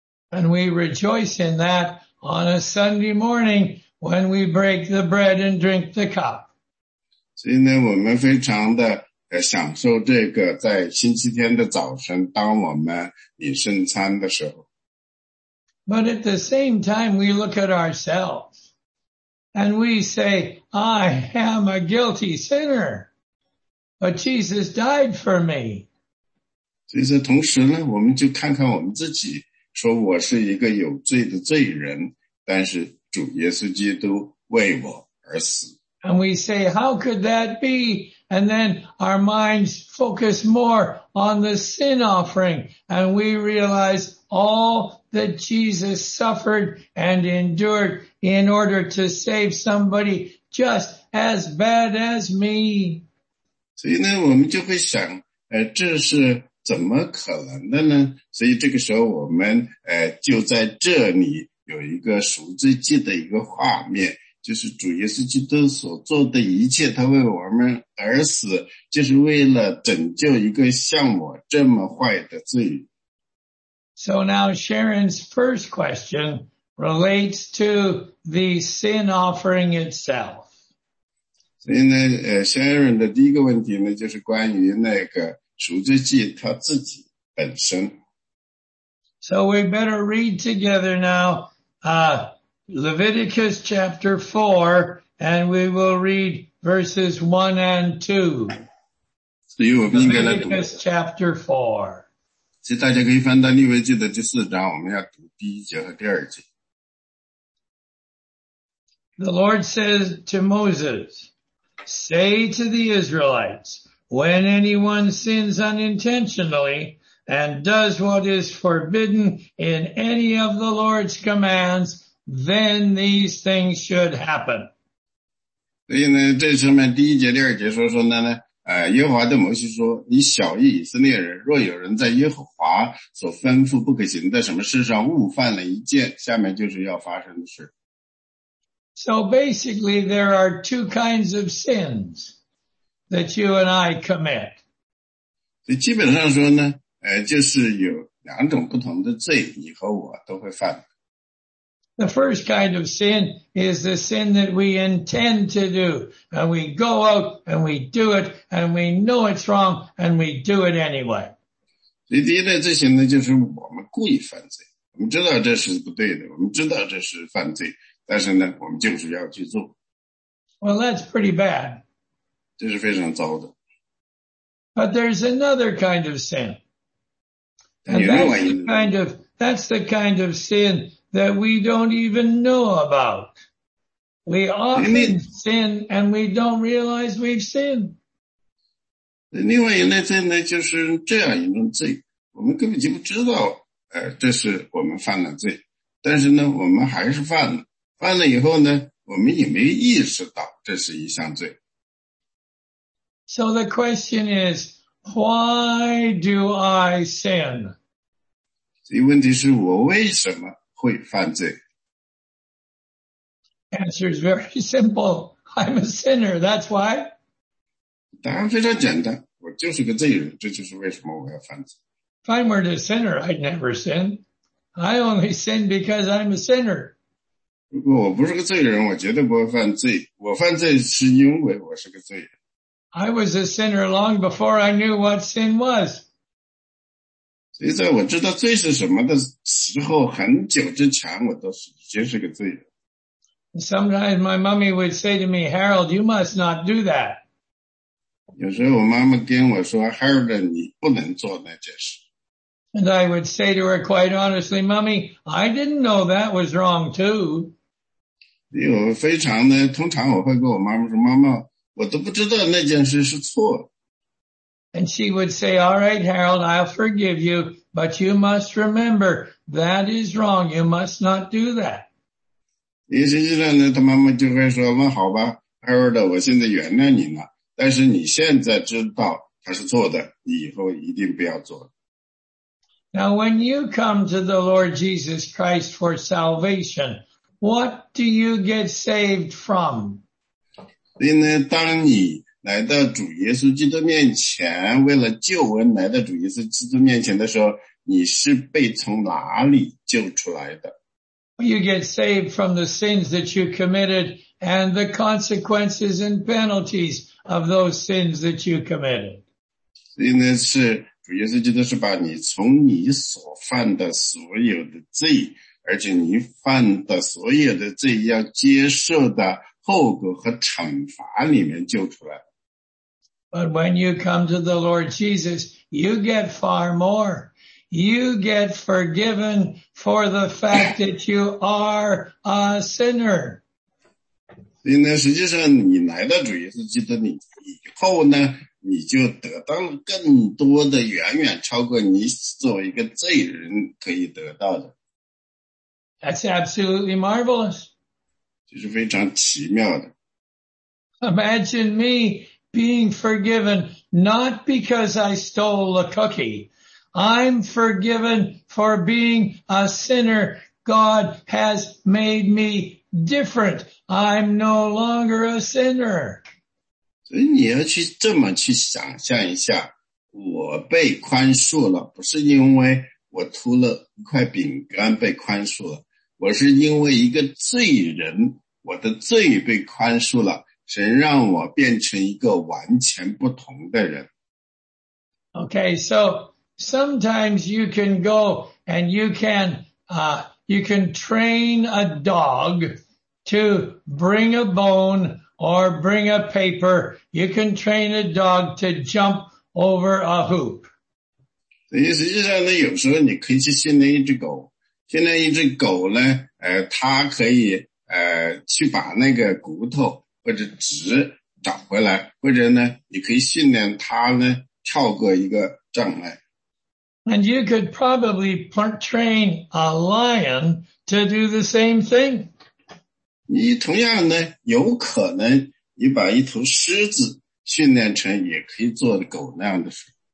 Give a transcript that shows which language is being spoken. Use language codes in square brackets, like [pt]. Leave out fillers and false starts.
[en] And we rejoice in that on a Sunday morning when we break the bread and drink the cup. [zh] 所以呢，我们非常的享受这个在星期天的早晨，当我们领圣餐的时候。 [en] But at the same time, we look at ourselves and we say, I am a guilty sinner, but Jesus died for me. [zh] 其实同时呢，我们就看看我们自己，说我是一个有罪的罪人，但是主耶稣基督为我而死。 [en] And we say, how could that be? And then our minds focus more on the sin offering, and we realize all that Jesus suffered and endured in order to save somebody just as bad as me. [zh] 所以呢，我们就会想，这是怎么可能的呢？所以这个时候我们就在这里有一个赎罪祭的一个画面，就是主耶稣基督所做的一切，他为我们而死，就是为了拯救一个像我这么坏的罪人。 [en] So now Sharon's first question relates to the sin offering itself. [zh] 所以呢，Sharon 的第一个问题呢，就是关于那个赎罪祭他自己本身。 [en] So we better read together now, Leviticus chapter 4, and we will read verses 1 and 2. Leviticus chapter 4. [zh] 其实大家可以翻到利未记的第四章，我们要读第一节和第二节。 [en] The Lord says to Moses, Say to the Israelites, when anyone sins unintentionally and does what is forbidden in any of the Lord's commands, then these things should happen. [zh] 所以呢，这上面第一节、第二节说说呢，耶和华对摩西说，你小谕以色列人，若有人在耶和华所吩咐不可行的什么事上误犯了一件，下面就是要发生的事。 [en] So basically, there are two kinds of sins that you and I commit. [zh] 所以基本上说呢，就是有两种不同的罪，你和我都会犯。 [en] The first kind of sin is the sin that we intend to do, and we go out and we do it, and we know it's wrong, and we do it anyway. [zh] 所以第一类罪行呢，就是我们故意犯罪，我们知道这是不对的，我们知道这是犯罪。但是呢，我们就是要去做。 [en] Well, that's pretty bad. [zh] 这是非常糟的。 [en] But there's another kind of sin. And that's the kind of sin that we don't even know about. We often sin and we don't realize we've sinned. [zh] 另外一类罪呢，就是这样一种罪，我们根本就不知道，这是我们犯了罪，但是呢，我们还是犯了。犯了以后呢，我们也没意识到这是一项罪。 [en] So the question is, why do I sin? [zh] 所以问题是我为什么会犯罪？ [en] Answer is very simple. I'm a sinner, that's why. [zh] 答案非常简单，我就是个罪人，这就是为什么我要犯罪。 [en] If I were a sinner, I'd never sin. I only sin because I'm a sinner. [zh] 如果我不是个罪人，我绝对不会犯罪。我犯罪是因为我是个罪人。 [en] I was a sinner long before I knew what sin was. [zh] 所以在我知道罪是什么的时候，很久之前我都已经是个罪人。 [en] Sometimes my mommy would say to me, Harold, you must not do that. [zh] 有时候我妈妈跟我说 ,Harold, 你不能做那件事。 [en] And I would say to her quite honestly, Mommy, I didn't know that was wrong too. [zh] 因为我非常呢，通常我会跟我妈妈说，妈妈，我都不知道那件事是错。 [en] And she would say, All right, Harold, I'll forgive you, but you must remember, that is wrong, you must not do that. [zh] 因为实际上呢，她妈妈就会说，那好吧，Harold，我现在原谅你了，但是你现在知道它是错的，你以后一定不要做。 [en] Now, when you come to the Lord Jesus Christ for salvation, what do you get saved from? [zh] 所以呢，当你来到主耶稣基督面前，为了救恩来到主耶稣基督面前的时候，你是被从哪里救出来的？ [en] You get saved from the sins that you committed and the consequences and penalties of those sins that you committed. [zh] 所以呢，是主耶稣基督是把你从你所犯的所有的罪，而且你犯的所有的罪要接受的后果和惩罚里面救出来。 [en] But when you come to the Lord Jesus, you get far more. You get forgiven for the fact that you are a sinner. [zh] 所以呢，实际上你来到主耶稣基督你以后呢，你就得到了更多的，远远超过你作为一个罪人可以得到的。 [en] That's absolutely marvelous. [zh] 这是非常奇妙的。 [en] Imagine me being forgiven not because I stole a cookie. I'm forgiven for being a sinner. God has made me different. I'm no longer a sinner. [zh] 所以你要去这么去想象一下，我被宽恕了，不是因为我吐了一块饼干被宽恕了，我是因为一个罪人，我的罪被宽恕了，神让我变成一个完全不同的人。 [en] Okay, so sometimes you can go and you can train a dog to bring a bone. Or bring a paper, you can train a dog to jump over a hoop. [zh] 所以实际上呢，有时候你可以去训练一只狗，训练一只狗呢，它可以去把那个骨头或者纸找回来，或者呢，你可以训练它呢跳过一个障碍。 [en] And you could probably train a lion to do the same thing. [zh] 你同样呢，有可能你把一头狮子训练成也可以做狗那样的事。